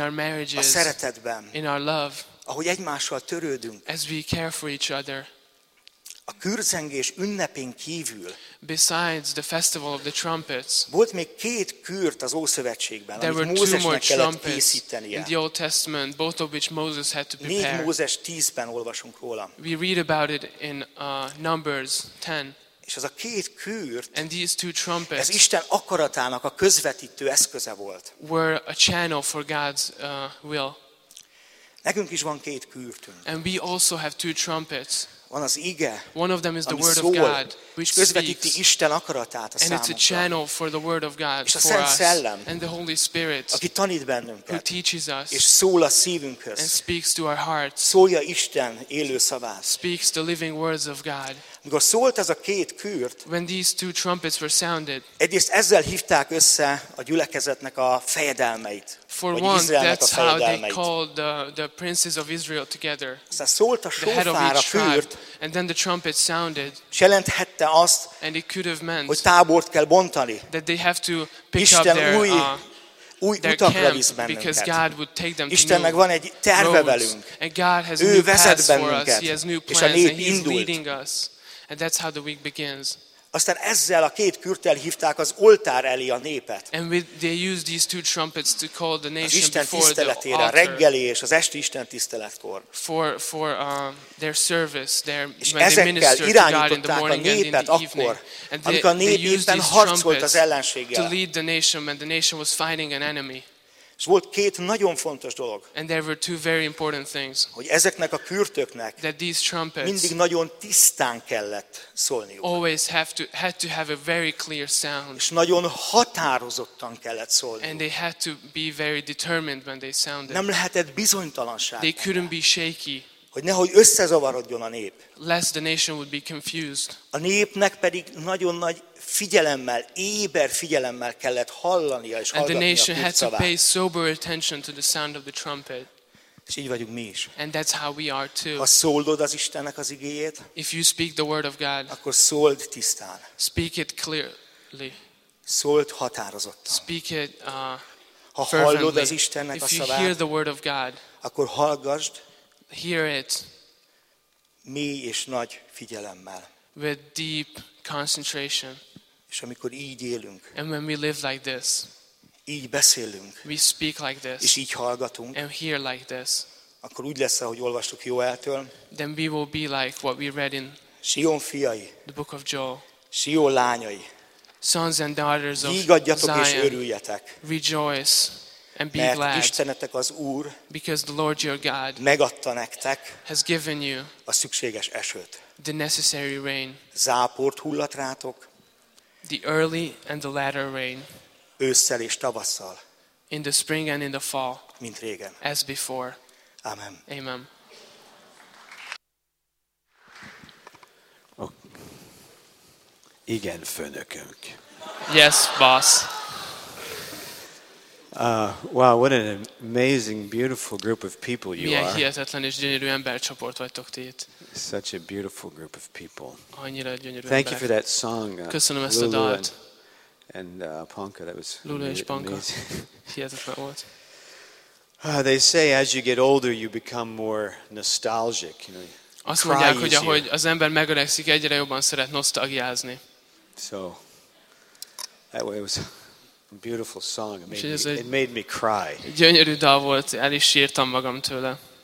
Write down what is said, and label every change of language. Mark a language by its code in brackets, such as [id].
[en] In our marriages. [hu] A szeretetben. [en] In our love. [hu] Ahogy egymással törődünk. [en] As we care for each other. [hu] A kürzengés ünnepén kívül. [en] Besides the festival of the trumpets. [hu] Volt még két kürt az Ószövetségben, amit Mózesnek kellett készítenie. [en] In the Old Testament, both of which Moses had to prepare. [hu] 4 Mózes 10-ben olvasunk róla. [en] We read about it in Numbers 10. [hu] És az a két kürt. [en] And these two trumpets. [hu] Ez Isten akaratának a közvetítő eszköze volt. [en] Were a channel for God's will. [hu] Nekünk is van két kürtünk. [en] And we also have two trumpets. [hu] Van az ige, [en] one of them is the word [hu] szól, [en] of God, which [hu] közvetíti Isten akaratát a [en] and [hu] számunkra. [en] It's a channel for the word of God, [hu] és a Szent Szellem, [en] and the Holy Spirit, [hu] aki tanít bennünket, [en] who teaches us, [hu] és szól a szívünkhöz, [en] and speaks to our hearts, [hu] szólja Isten élő szavát, [en] speaks the living words of God. [hu] Amikor szólt ez a két kürt, [en] when these two trumpets were sounded, [hu] egyrészt ezzel hívták össze a gyülekezetnek a fejedelmeit, [en] for [hu] vagy Izraelnek [en] one, that's [hu] a fejedelmeit. [en] How they called the princes of Israel together. [hu] Aztán szólt a sófár a kürt, [en] and then the trumpet sounded, [hu] és jelenthette azt, [en] and it could have meant, [hu] hogy tábort kell bontani, [en] that they have to pick [hu] Isten [en] up their, [hu] új utakra visz bennünket. Isten meg van egy terve velünk. Ő vezet bennünket, és a nép indult. [en] And that's how the week begins. [hu] Aztán ezzel a két kürttel hívták az oltár elé a népet. [en] And they used these two trumpets to call the nation before the altar. [hu] Az Isten tiszteletére, a reggeli és az esti Isten tiszteletkor. [en] For their service, their [hu] és ezekkel irányították a népet akkor, amikor a nép éppen harcolt az ellenséggel. [en] To lead the nation when the nation was fighting an enemy. [hu] És volt két nagyon fontos dolog. [en] And there were two very important things. [hu] Hogy ezeknek a kürtöknek mindig nagyon tisztán kellett szólniuk. [en] Always had to have a very clear sound. [hu] És nagyon határozottan kellett szólniuk. [en] And they had to be very determined when they sounded. [hu] Nem lehetett bizonytalanság. [en] They couldn't be shaky. [hu] Hogy nehogy összezavarodjon a nép. [en] Lest the nation would be confused. [hu] A népnek pedig nagyon nagy figyelemmel, éber figyelemmel kellett hallania és hallgatnia. [en] And the nation had to pay sober attention to the sound of the trumpet. [hu] És így vagyunk mi is. [en] And that's how we are too. [hu] Ha szóldod az Istennek az igéjét, [en] if you speak the word of God, [hu] akkor szóld tisztán. [en] Speak it clearly. [hu] Szóld határozottan. [en] Speak it [hu] ha hallod az Istennek [en] if [hu] a szavát, [en] you hear the word of God, [hu] akkor hallgasd. [en] Hear it. [hu] Mély és nagy figyelemmel. [en] With deep concentration. [hu] És amikor így élünk. [en] And when we live like this. [hu] Így beszélünk. [en] We speak like this. [hu] És így hallgatunk. [en] And hear like this. [hu] Akkor úgy lesz, ahogy olvastuk Jóeltől. [en] Then we will be like what we read in [hu] Sion fiai. [en] The book of Joel. [hu] Sion lányai. [en] Sons and daughters of Zion. [hu] És örüljetek. [en] Rejoice. And be [hu] mert [en] glad, [hu] Istenetek az Úr, [en] because the Lord your God [hu] megadta nektek [en] has given you [hu] a szükséges esőt. [en] The necessary rain, [hu] záport hullat rátok, [en] the early and the latter rain, [hu] ősszel és tavasszal, [en] in the spring and in the fall, [hu] mint régen. [en] As before. [hu] Amen. [en] Amen. [hu] Okay. Igen, főnökünk. [en] Yes, boss. Wow, what an amazing, beautiful group of people you [hu] Milyen [en] are. [hu] Milyen hihetetlen és gyönyörű embercsoport vagytok ti itt. [en] Such a beautiful group of people. [hu] Annyira gyönyörű [en] Thank [hu] ember. [en] You for that song, [hu] Köszönöm ezt a dalt. [en] And Panka, that was [hu] Lulu és Panka. Hihetetlen volt. [en] They say as you get older you become more nostalgic. You know, [hu] Azt mondják, hogy ahogy az ember megöregszik, egyre jobban szeret nosztalgiázni. [en] So, that way it was a beautiful song. It made me cry. [hu] Gyönyörű dal volt, el is sírtam magam tőle.